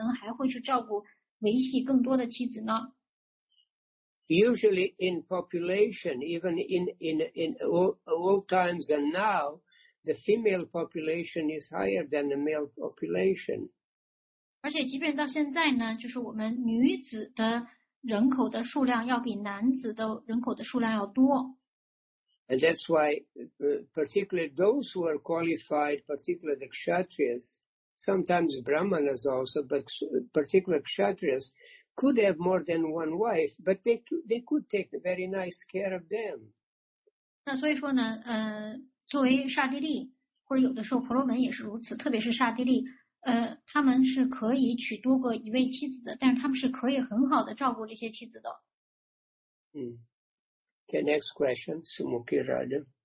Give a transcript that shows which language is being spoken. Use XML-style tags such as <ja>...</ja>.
<zh>多过一位妻子呢？他就连一位妻子他都照顾不好，他怎么可能还会去照顾维系更多的妻子呢？</zh> <en>Usually in population, even in old times and now, the female population is higher than the male population.</en> <zh>而且即便到现在呢，就是我们女子的人口的数量要比男子的人口的数量要多。</zh> <en>And that's why particularly those who are qualified, particularly the Kshatriyas, sometimes Brahmanas also, but particularly Kshatriyas, could have more than one wife, but they could take very nice care of them.</en> <zh>那所以说呢，作为刹帝利，或者有的时候婆罗门也是如此，特别是刹帝利，他们是可以娶多个一位妻子的，但是他们是可以很好的照顾这些妻子的。</zh> <en>嗯。The next question, Sumukhi Raja.</en>